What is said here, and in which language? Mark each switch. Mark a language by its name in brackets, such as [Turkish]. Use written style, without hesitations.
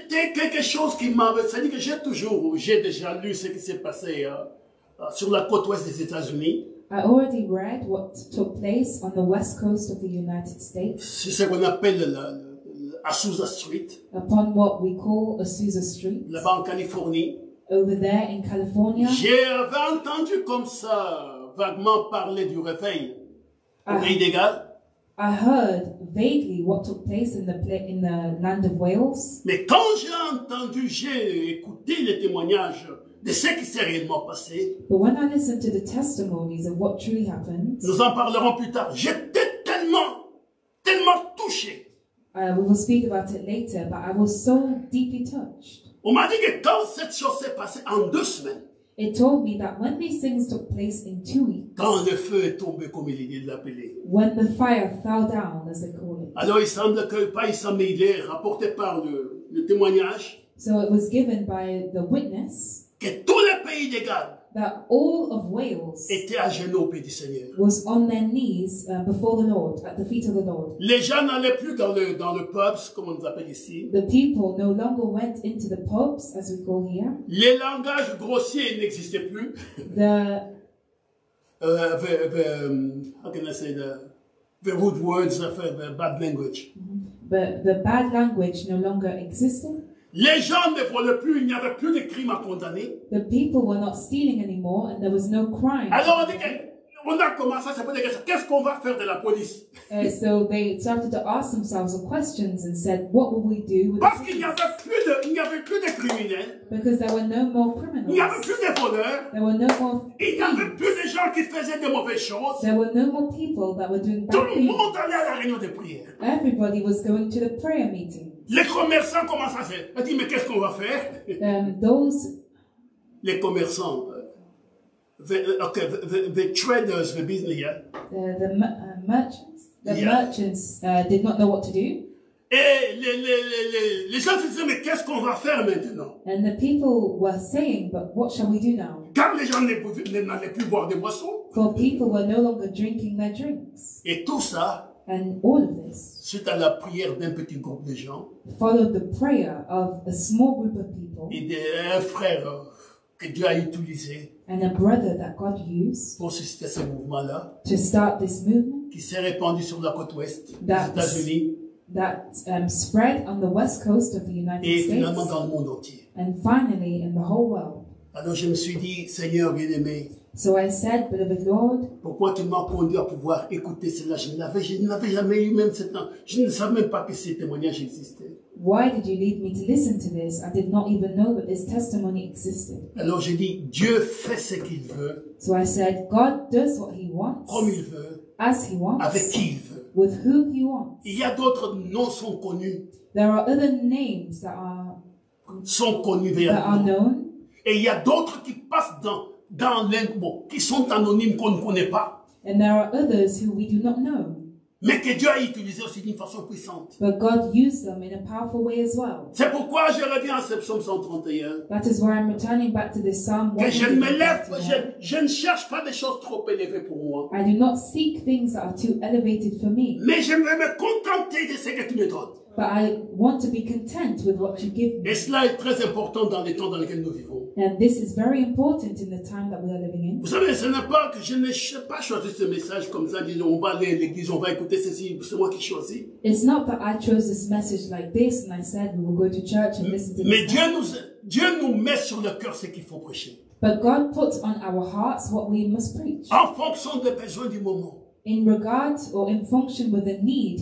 [French] Et c'était quelque chose qui m'avait, c'est-à-dire que j'ai déjà lu ce qui s'est passé sur la côte ouest des États-Unis. [English] I already read what took place on the west coast of the United States. [French] C'est ce qu'on appelle là. Azusa Street. [English] Upon what we call Azusa Street. [French] Là-bas en Californie. [English] Over there in California. [French] J'avais entendu comme ça, vaguement parler du réveil au pays de Galles. [English] I heard vaguely what took place in the land of Wales. [French] Mais quand j'ai écouté les témoignages de ce qui s'est réellement passé. [English] But when I listened to the testimonies of what truly happened. [French] Nous en parlerons plus tard. J'étais tellement touché. [English] We will speak about it later, but I was so deeply touched. [French] On m'a dit que quand cette chose s'est passée en 2 semaines, [English] it told me that when these things took place in 2 weeks, [French] quand le feu est tombé comme il dit de l'appeler, [English] when the fire fell down, as they call it. [French] Alors il semble rapporté par le témoignage. [English] So it was given by the witness [French] que tout le pays de Galles. [English] That all of Wales [French] était à genoux au pied du Seigneur. [English] Was on their knees before the Lord, at the feet of the Lord. [French] Les gens n'allaient plus dans le pubs, comme on les appelle ici. [English] The people no longer went into the pubs, as we call here. [French] Les langages grossiers n'existaient plus. [English] The how can I say that? The rude words of the bad language. But the bad language no longer existing. [French] Les gens ne volaient plus, il n'y avait plus de crime à condamner. [English] The people were not stealing anymore and there was no crime. [French] Alors on dit qu'on a commencé à se poser des questions. Qu'est-ce qu'on va faire de la police? [English] So they started to ask themselves questions and said, what will we do with [French] Parce qu'il n'y avait plus de, il n'y avait plus de criminels. [English] Because there were no more criminals. [French] Il n'y avait plus de voleurs. [English] There were no more [French] Il n'y avait plus de gens qui faisaient de mauvaises choses. [English] There were no more people that were doing bad [French] Tout le monde allait à la réunion de prière. [English] Everybody was going to the prayer meeting. [French] Les commerçants commencent à faire. Ils disent, mais qu'est-ce qu'on va faire? [English] Those [French] les commerçants, [English] the traders, the business, yeah. The merchants did not know what to do. [French] Et les gens se disaient, mais qu'est-ce qu'on va faire maintenant? [English] And the people were saying, but what shall we do now? [French] Car les gens n'allaient plus boire de boissons. [English] For people were no longer drinking their drinks. [French] Et tout ça. [English] And all of this. [French] Suite à la prière d'un petit groupe de gens. [English] Followed the prayer of a small group of people. [French] Et d'un frère que Dieu a utilisé. [English] And a brother that God used. [French] Pour susciter ce mouvement-là. [English] To start this movement. [French] Qui s'est répandu sur la côte ouest des États-Unis. [English] That spread on the west coast of the United States. [French] Et finalement States, dans le monde entier. [English] And finally in the whole world. [French] Alors je me suis dit, Seigneur bien-aimé. [English] So I said, beloved Lord. [French] Pourquoi tu m'as conduit à pouvoir écouter cela? Je n'avais jamais eu même cette. Je ne savais même pas que ces témoignages existaient. [English] Why did you lead me to listen to this? I did not even know that this testimony existed. [French] Alors je dis, Dieu fait ce qu'il veut. [English] So I said, God does what he wants. [French] Comme il veut. [English] As he wants. [French] Avec qui il veut. [English] With who he wants. [French] Il y a d'autres noms sont connus. [English] There are other names that are. [French] Sont connus [English] that are known. [French] Et il y a d'autres qui passent dans l'inconnu, bon, qui sont anonymes qu'on ne connaît pas. [English] And there are others who we do not know. [French] Mais que Dieu a utilisé aussi d'une façon puissante. [English] But God used them in a powerful way as well. [French] C'est pourquoi je reviens à ce psaume 131. [English] That is why I'm returning back to this psalm. [French] Que je ne me lève, je ne cherche pas des choses trop élevées pour moi. [English] I do not seek things that are too elevated for me. [French] Mais je vais me contenter de ce que tu me donnes. [English] But I want to be content with what you give me. [French] Et cela est très important dans les temps dans lesquels nous vivons. [English] And this is very important in the time that we are living in. [French] Vous savez, ce n'est pas que je n'ai pas choisi ce message comme ça, disons, on va aller à l'église, on va écouter ceci, c'est moi qui choisis. [English] It's not that I chose this message like this and I said we will go to church and listen to this. [French] Mais Dieu nous met sur le cœur ce qu'il faut prêcher. [English] But God puts on our hearts what we must preach. [French] En fonction des besoins du moment. [English] In regard or in function with the need.